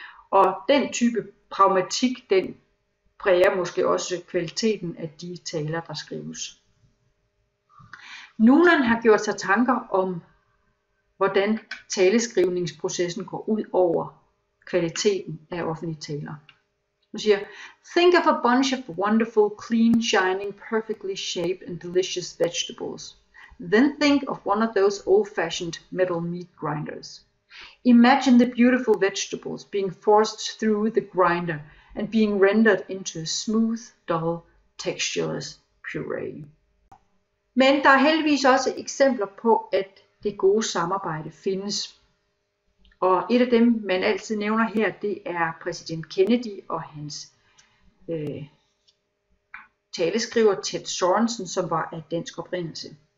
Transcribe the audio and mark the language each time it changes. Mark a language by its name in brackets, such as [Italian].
[Danish] Og den type pragmatik, den præger måske også kvaliteten af de taler, der skrives. Noonan har gjort sig tanker om, hvordan taleskrivningsprocessen går ud over kvaliteten af offentlige taler. Hun siger, [English] think of a bunch of wonderful, clean, shining, perfectly shaped and delicious vegetables. Then think of one of those old-fashioned metal meat grinders. Imagine the beautiful vegetables being forced through the grinder and being rendered into a smooth, dull, textureless puree. [Danish] Men der er heldigvis også eksempler på, at det gode samarbejde findes. Og et af dem, man altid nævner her, det er præsident Kennedy og hans taleskriver Ted Sorensen, som var af dansk oprindelse.